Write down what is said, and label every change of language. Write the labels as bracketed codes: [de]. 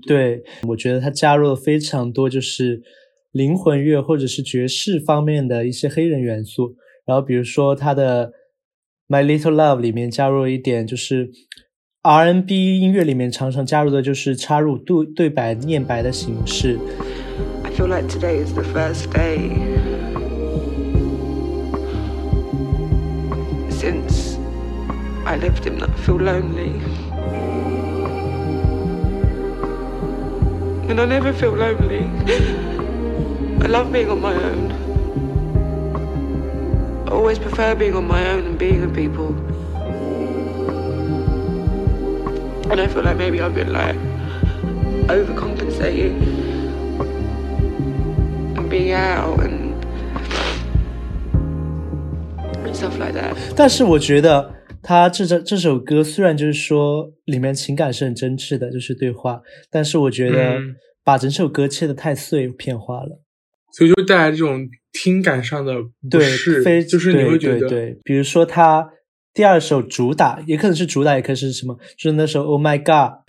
[zh] 对，我觉得他加入了非常多就是灵魂乐或者是爵士方面的一些黑人元素，然后比如说他的My Little Love 里面加入一点就是 R&B 音乐里面常常加入的就是插入 对白念白的形式。 [en] I feel like today is the first day since I lived him that I feel lonely and I never feel lonely. I love being on my own. Always prefer being on my own and being with people. And I feel like maybe I've been like overcompensating and being out and stuff like that. [zh] 但是我觉得他这首歌虽然就是说里面情感是很真挚的，就是对话，但是我觉得把整首歌切得太碎片化了，所以就带来这种听感上的不适。对，就是你会觉得对，比如说他第二首主打，也可能是主打，也可能是什么，就是那首 Oh My God。